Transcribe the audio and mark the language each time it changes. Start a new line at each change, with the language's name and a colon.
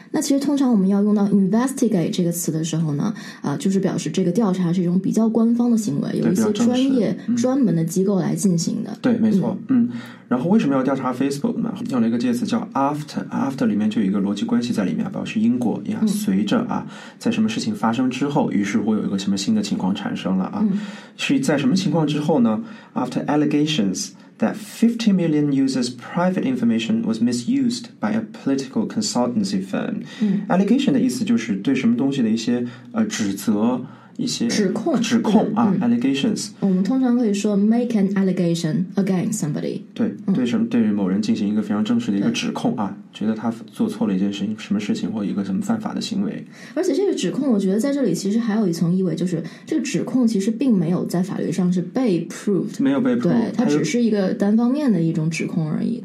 Chinese: 那其实通常我们要用到 investigate 这个词的时候呢，就是表示这个调查是一种比较官方的行为，有一些专业专门的机构来进行的，对，没错，然后为什么要调查 Facebook 呢？用了一个介词叫 after 里面就有一个逻辑关系在里面，表示因果呀，随着啊，在什么事情发生之后，于是会有一个什么新的情况产生了啊，是在什么情况之后呢？
English: After allegations that 50 million users' private information was misused by a political consultancy firm，
Chinese: allegation 的意思就是对什么东西的一些指责，一些指控啊， allegations，
English: 我们通常可以说 make an allegation against somebody，
Chinese: 对，对什么，对于某人进行一个非常正式的一个指控啊，觉得他做错了一件事情，什么事情或一个什么犯法的行为。而且这个指控我觉得在这里其实还有一层意味，就是这个指控其实并没有在法律上是被 proved，没有被 proved，对，它只是一个单方面的一种指控而已。